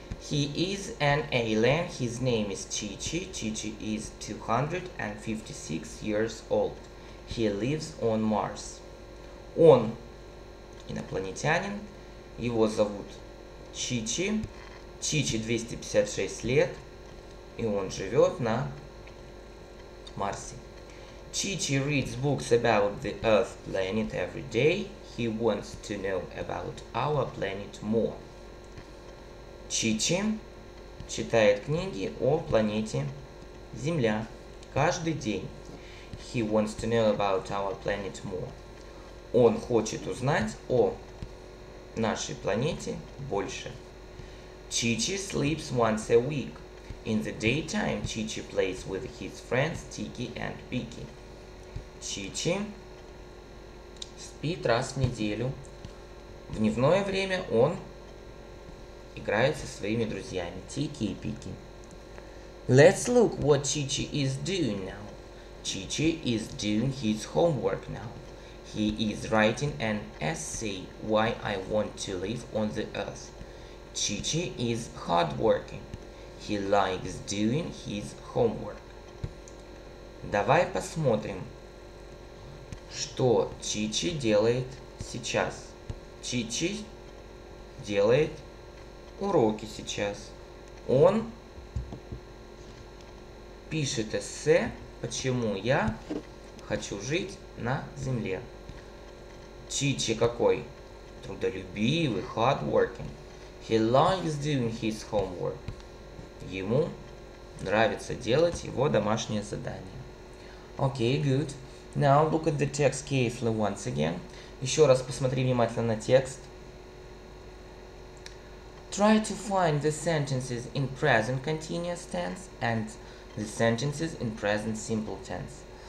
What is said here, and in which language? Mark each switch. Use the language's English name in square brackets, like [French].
[English] He is an alien. His name is Chichi. Chichi is 256 years old. He lives on Mars. [Russian] Он инопланетянин, его зовут Чичи, Чичи 256 лет, и он живет на Марсе. [English] Chichi reads books about the Earth planet every day. He wants to know about our planet more. [Russian] Чичи читает книги о планете Земля каждый день. [English] He wants to know about our planet more. [Russian] Он хочет узнать о нашей планете больше. [English] Chichi sleeps once a week. In the daytime, Chichi plays with his friends Tiki and Piki. [Russian] Chichi спит раз в неделю. В дневное время он играет со своими друзьями Tiki и Piki. [English] Let's look what Chichi is doing now. Chichi is doing his homework now. He is writing an essay, Why I Want to Live on the Earth. Chichi is hardworking. He likes doing his homework. [Russian] Давай посмотрим, что Чичи делает сейчас. Чичи делает уроки сейчас. Он пишет эссе, почему я хочу жить на Земле. Чичи какой? Трудолюбивый, [English] hardworking. He likes doing his homework. [Russian] Ему нравится делать его домашнее задание. [English] Okay, good. Now look at the text carefully once again. [Russian] Еще раз посмотри внимательно на текст. [English] Try to find the sentences in present continuous tense and the sentences in present simple tense.